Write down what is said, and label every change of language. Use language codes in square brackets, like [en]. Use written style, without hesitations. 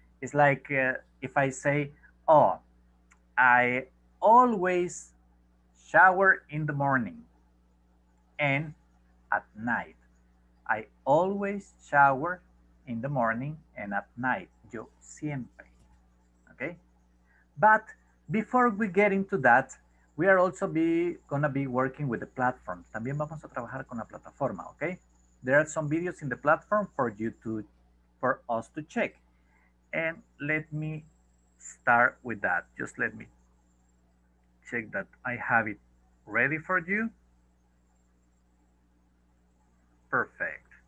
[en] It's like, if I say, oh, I always shower in the morning and at night. I always shower in the morning and at night. [es] Yo siempre. [en] Okay? But before we get into that, we are also gonna be working with the platform. [es] También vamos a trabajar con la plataforma, okay? [en] There are some videos in the platform for us to check. And let me start with that. Just let me check that I have it ready for you. Perfect.